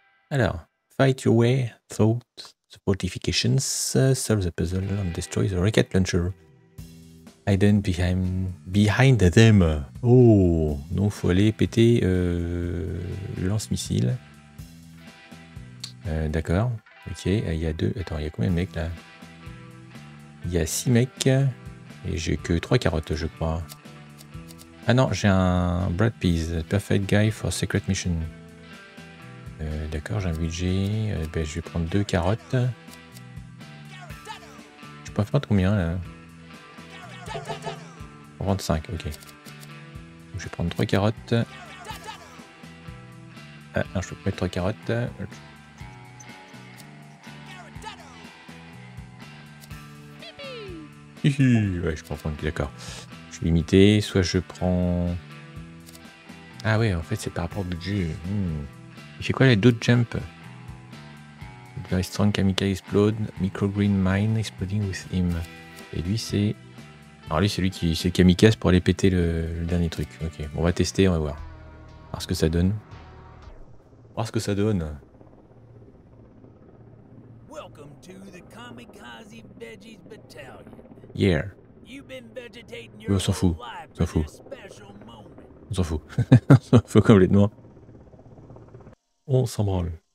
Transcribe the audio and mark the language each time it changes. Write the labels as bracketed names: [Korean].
[English] Alors, fight your way through the fortifications, solve the puzzle and destroy the rocket launcher. Hidden behind them. [French] Oh, donc faut aller péter le lance-missile. D'accord, ok, il y a deux, attends, il y a combien de mecs là? Il y a six mecs, et j'ai que trois carottes je crois. Ah non, j'ai un Brad Pease, [English] perfect guy for secret mission. [French] D'accord, j'ai un budget, ben, je vais prendre deux carottes. Je peux prendre combien là? On prend 5, ok. Donc, je vais prendre trois carottes. Ah, non, je peux pas mettre trois carottes. Ouais, je comprends, d'accord. Je suis limité, soit je prends... Ah ouais, en fait, c'est par rapport au budget. Hmm. Il fait quoi, les deux jumps? [English] Very strong chemical explode, micro green mine exploding with him. [French] Et lui, c'est... Alors lui, c'est lui qui... C'est le kamikaze pour aller péter le dernier truc. Ok, bon, on va tester, on va voir. Voir ce que ça donne. Voir ce que ça donne. [English] Welcome to the Kamikaze Veggies Battalion. Yeah. [French] Oui, on s'en fout. On s'en fout. On s'en fout complètement. On s'en branle.